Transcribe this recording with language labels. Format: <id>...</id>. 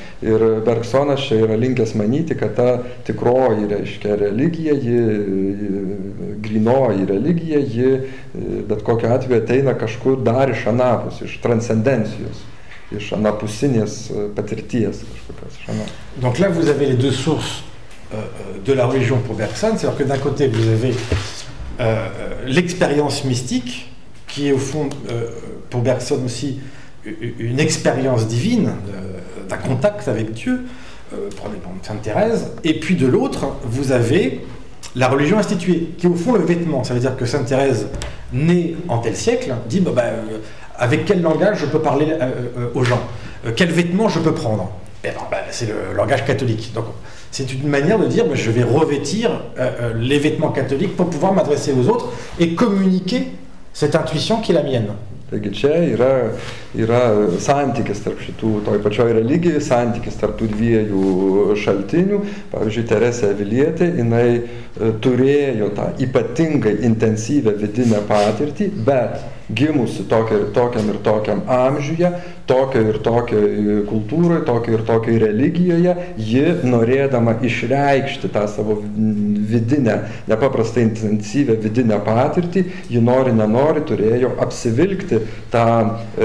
<lt>Ir Bergsonas čia yra linkęs manyti, kad ta tikroji, reiškia, religija, ji grynoji religija, ji bet kokio atveju ateina kažkur dar iš anapus, iš transcendencijos, iš anapusinės patirties kažkokios iš anapus.</lt> <fr>Donc là vous avez les deux sources de la religion pour Bergson, c'est-à-dire que d'un côté vous avez l'expérience mystique, qui est au fond pour Bergson aussi une expérience divine, d'un contact avec Dieu, prenez Sainte Thérèse, et puis de l'autre, vous avez la religion instituée, qui est au fond le vêtement. Ça veut dire que Sainte Thérèse, née en tel siècle, dit avec quel langage je peux parler aux gens, quel vêtement je peux prendre. C'est le langage catholique. Donc, c'est une manière de dire je vais revêtir les vêtements catholiques pour pouvoir m'adresser aux autres et communiquer cette intuition qui est la mienne.</fr> <lt>Taigi čia yra santykis tarp šitų, toj pačioj religijai, santykis tarp tų dviejų šaltinių. Pavyzdžiui, Teresė Avilietė, jinai turėjo tą ypatingai intensyvę vidinę patirtį, bet gimusi tokiam ir tokiam amžiuje, tokio ir tokio kultūroje, tokio ir tokio religijoje, ji norėdama išreikšti tą savo vidinę, nepaprastai intensyvę vidinę patirtį, ji nori, nenori, turėjo apsivilkti tą</lt>